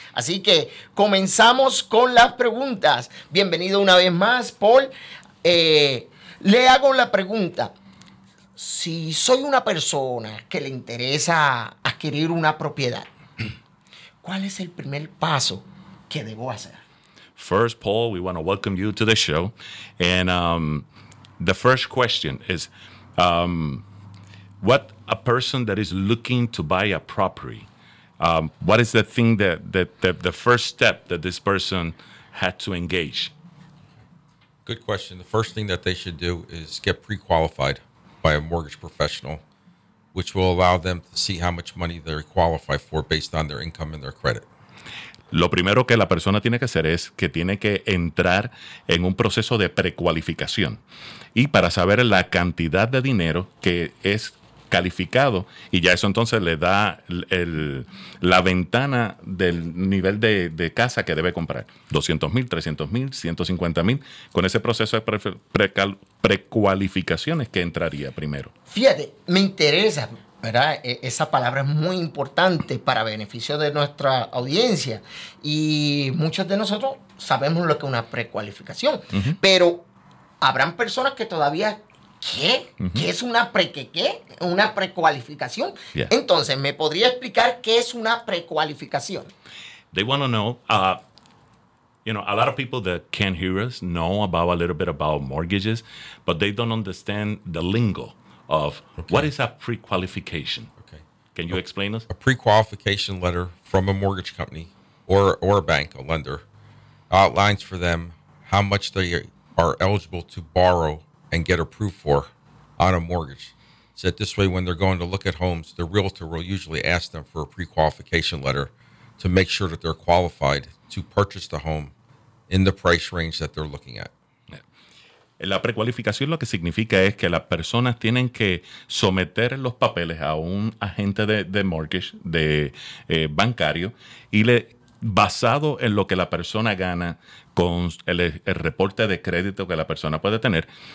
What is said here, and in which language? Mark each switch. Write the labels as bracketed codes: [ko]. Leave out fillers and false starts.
[es] Así que comenzamos con las preguntas. Bienvenido una vez más, Paul. Le hago la pregunta. Si soy una persona que le interesa adquirir una propiedad, ¿cuál es el primer paso que debo hacer? [en] First, Paul, we want to welcome you to the show. And the first question is, what a person that is looking to buy a property, what is the thing that the first step that this person had to engage? Good question. The first thing that they should do is get pre-qualified by a mortgage professional, which will allow them to see how much money they qualify for based on their income and their credit. [es] Lo primero que la persona tiene que hacer es que tiene que entrar en un proceso de precualificación y para saber la cantidad de dinero que es calificado y ya eso entonces le da la ventana del nivel de casa que debe comprar. 200,000, 300,000, 150,000. Con ese proceso de precualificación es que entraría primero. Fíjate, me interesa, ¿verdad? Esa palabra es muy importante para beneficio de nuestra audiencia y muchos de nosotros sabemos lo que es una precualificación, pero habrán personas que todavía, ¿qué? ¿Qué es una pre-qué? ¿Una precualificación? Yeah. Entonces, ¿me podría explicar qué es una precualificación? [en] They want to know, you know, a lot of people that can't hear us know about a little bit about mortgages, but they don't understand the lingo of what is a pre-qualification. Okay. Can you explain us? A pre-qualification letter from a mortgage company or a bank, a lender, outlines for them how much they are eligible to borrow and get approved for on a mortgage. So that this way, when they're going to look at homes, the realtor will usually ask them for a pre-qualification letter to make sure that they're qualified to purchase the home in the price range that they're looking at. [es] La precualificación lo que significa es que las personas tienen que someter los papeles a un agente de mortgage, de bancario, y basado en lo que la persona gana con el reporte de crédito que la persona puede tener,